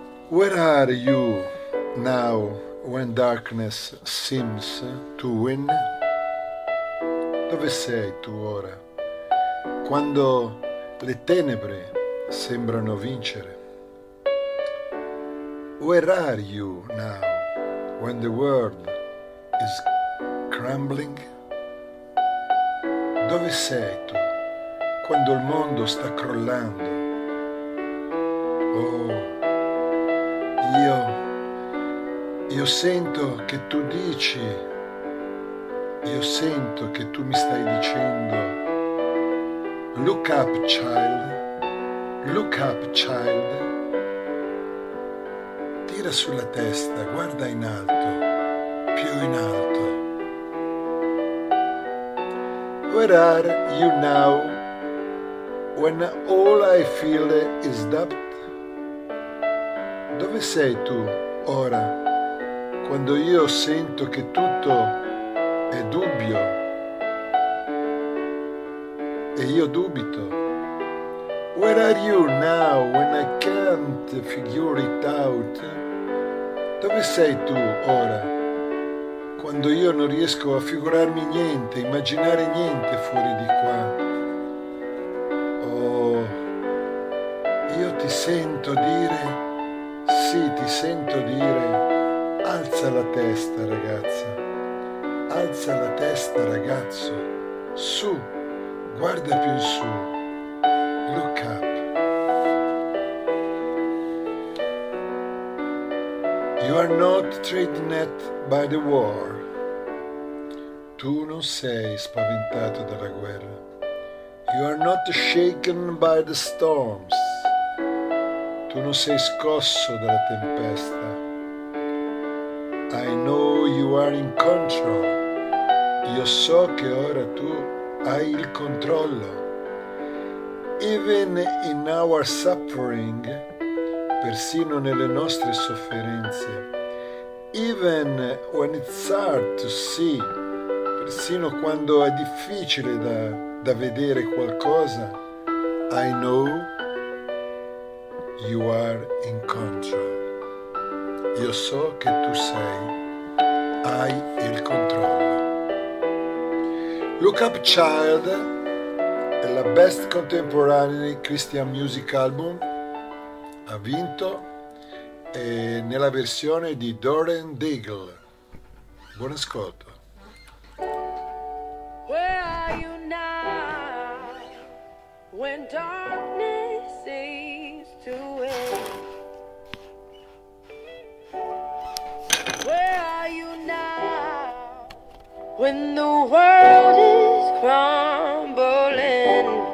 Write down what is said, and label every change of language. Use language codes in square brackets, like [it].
[en] Where are you now when darkness seems to win? [it] Dove sei tu ora, quando le tenebre sembrano vincere? [en] Where are you now when the world is crumbling? [it] Dove sei tu quando il mondo sta crollando? Oh, io sento che tu dici, io sento che tu mi stai dicendo: [en] look up, child, look up, child. [it] Tira sulla testa, guarda in alto, più in alto. [en] Where are you now when all I feel is doubt? [it] Dove sei tu ora quando io sento che tutto è dubbio e io dubito? [en] Where are you now when I can't figure it out? [it] Dove sei tu ora quando io non riesco a figurarmi niente, immaginare niente fuori di qua? Oh, io ti sento dire, sì, ti sento dire: alza la testa, ragazza, alza la testa, ragazzo, su, guarda più in su, [en] look up. You are not threatened by the war. [it] Tu non sei spaventato dalla guerra. [en] You are not shaken by the storms. [it] Tu non sei scosso dalla tempesta. [en] I know you are in control. [it] Io so che ora tu hai il controllo. [en] Even in our suffering, [it] persino nelle nostre sofferenze, [en] even when it's hard to see, [it] persino quando è difficile da vedere qualcosa, [en] I know you are in control. [it] Io so che tu sei, hai il controllo. Look Up Child è la best contemporary Christian music album, ha vinto, e nella versione di Doreen Deagle. Buon ascolto. [en] Where are you now when darkness seems to win? Where are you now when the world is crumbling?